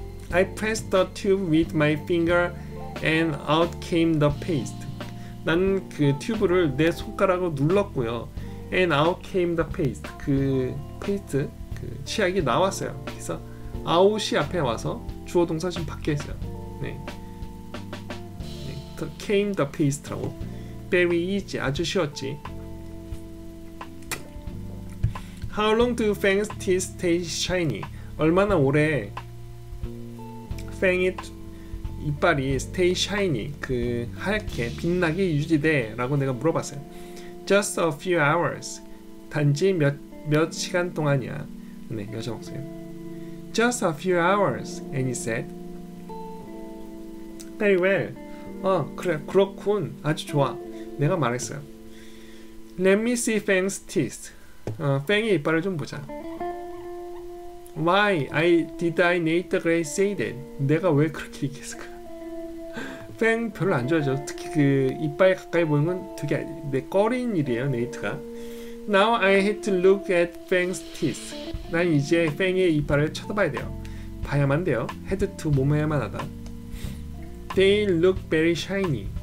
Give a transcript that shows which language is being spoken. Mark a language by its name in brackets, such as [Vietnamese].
[English] I pressed the tube with my finger and out came the paste. [Korean] 난 그 튜브를 내 손가락으로 눌렀고요. [English] And out came the paste. [Korean] 그 페이스트, 그 치약이 나왔어요. 그래서 out이 앞에 와서 주어 동사 지금 바뀌었어요. [English] 네. 네. came the paste라고. Very easy. [Korean] 아주 쉬웠지. [English] How long do fangs stay shiny? [Korean] 얼마나 오래 fang it 이빨이 stay shiny 그 하얗게 빛나게 유지돼 라고 내가 물어봤어요. [English] Just a few hours. [Korean] 단지 몇 시간 동안이야. 네, 여자 목소리. [English] Just a few hours. And he said. Very well. [Korean] 어, 그래, 그렇군. 아주 좋아. 내가 말했어요. [English] Let me see fang's teeth. [Korean] 어, 팽이 이빨을 좀 보자. [English] Why I did I need the gray say that? [Korean] 내가 왜 그렇게 얘기했을까? 팽 별로 안 좋아하죠. 특히 그 이빨 가까이 보는 건 되게 내 꺼린 일이에요. 네이트가. [English] Now I had to look at Fang's teeth. [Korean] 난 이제 팽의 이빨을 쳐다봐야 돼요. 봐야만 돼요. [English] Had to [Korean] 몸해야만 하다. [English] They look very shiny.